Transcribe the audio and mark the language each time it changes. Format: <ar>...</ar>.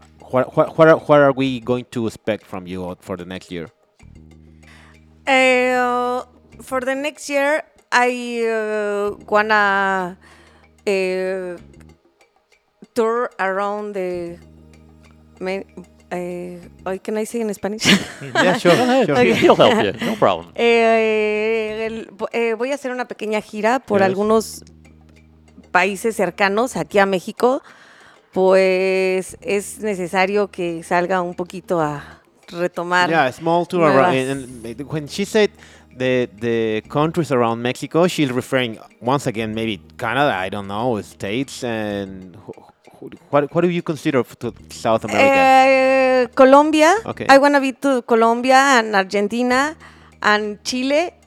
<en>What are we going to expect from you for the next year? For the next year, I wanna tour around the main. Can I say in Spanish? Yeah, sure. Okay. He'll help you. No problem.</en> <es>Voy a hacer una pequeña gira por algunos países cercanos aquí a México, pues es necesario que salga un poquito a retomar.</es> <en>Yeah, a small tour around. And when she said the countries around Mexico, she's referring once again maybe Canada, I don't know, States, and what do you consider to South America? Colombia. Okay. I want to be to Colombia and Argentina and Chile.</en>